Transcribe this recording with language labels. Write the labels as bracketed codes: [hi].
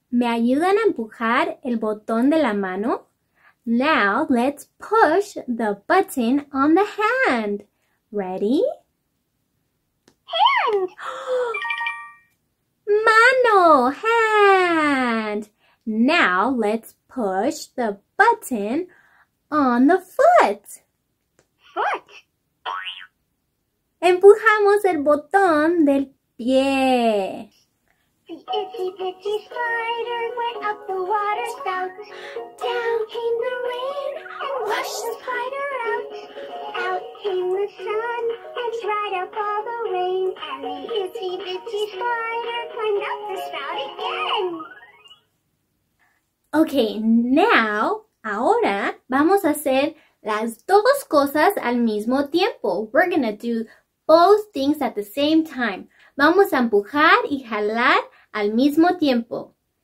[es] ¿Me ayudan a empujar el botón de la mano? [en] Now, let's push the button on the hand. Ready? Hand! [es] Mano! [en] Hand! Now, let's push the button on the foot. Foot! [es] Empujamos el botón del pie. [en] The itchy, bitchy spider went up the water spout. Down came the rain and washed the spider out. Out came the sun and dried up all the rain. And the itchy, bitchy spider climbed up the spout again. Okay, now, [es] ahora, vamos a hacer las dos cosas al mismo tiempo. [en] We're gonna do both things at the same time. [es] Vamos a empujar y jalar al mismo tiempo.